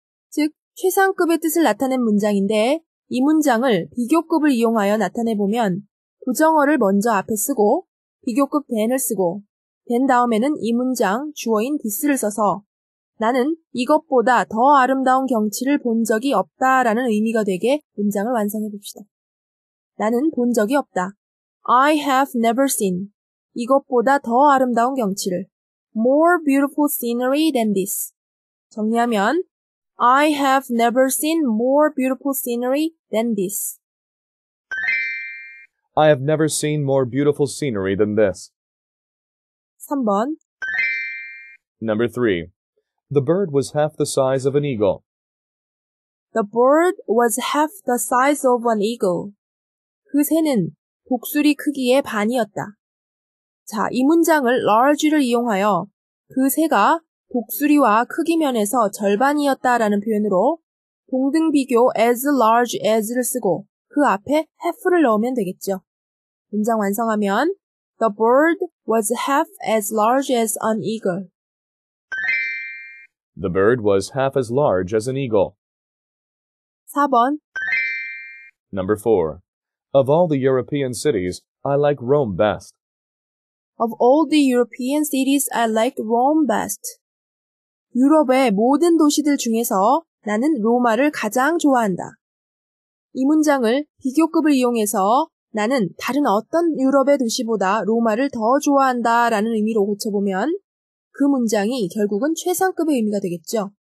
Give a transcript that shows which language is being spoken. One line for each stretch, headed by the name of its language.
Korean: 즉, 최상급의 뜻을 나타낸 문장인데 이 문장을 비교급을 이용하여 나타내보면 부정어를 먼저 앞에 쓰고 비교급 than을 쓰고 than 다음에는 이 문장 주어인 this를 써서 나는 이것보다 더 아름다운 경치를 본 적이 없다 라는 의미가 되게 문장을 완성해봅시다. 나는 본 적이 없다.
English: I have never seen.
Korean: 이것보다 더 아름다운 경치를.
English: More beautiful scenery than this.
Korean: 정리하면
English: I have never seen more beautiful scenery than this. I have never seen more beautiful scenery than this.
Korean: 3번
English: Number 3. The bird was half the size of an eagle. The bird was half the size of an eagle.
Korean: 그 새는 독수리 크기의 반이었다. 자, 이 문장을 large를 이용하여 그 새가 독수리와 크기 면에서 절반이었다라는 표현으로 동등 비교 as large as를 쓰고 그 앞에 half를 넣으면 되겠죠. 문장 완성하면
English: The bird was half as large as an eagle. The bird was half as large as an eagle.
Korean: 4번
English: Number 4. Of all the European cities, I like Rome best. Of all the European cities, I like Rome best.
Korean: 유럽의 모든 도시들 중에서 나는 로마를 가장 좋아한다. 이 문장을 비교급을 이용해서 나는 다른 어떤 유럽의 도시보다 로마를 더 좋아한다 라는 의미로 고쳐보면 그 문장이 결국은 최상급의 의미가 되겠죠.